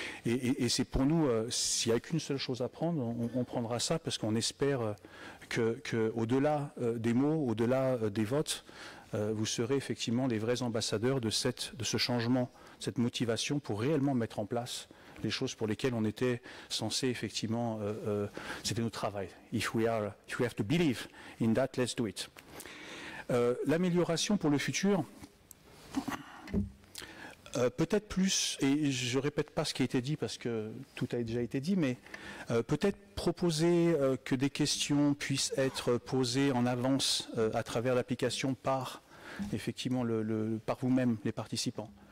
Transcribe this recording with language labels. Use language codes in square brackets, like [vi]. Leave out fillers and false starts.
[fr] Et c'est pour nous, s'il n'y a qu'une seule chose à prendre, on prendra ça, parce qu'on espère qu'au-delà des mots, au-delà des votes, vous serez effectivement les vrais ambassadeurs de ce changement, cette motivation pour réellement mettre en place les choses pour lesquelles on était censé effectivement, c'était notre travail. [en] If we have to believe in that, let's do it. [fr] L'amélioration pour le futur, peut-être plus, et je ne répète pas ce qui a été dit parce que tout a déjà été dit, mais peut-être proposer que des questions puissent être posées en avance à travers l'application par effectivement par vous-même, les participants.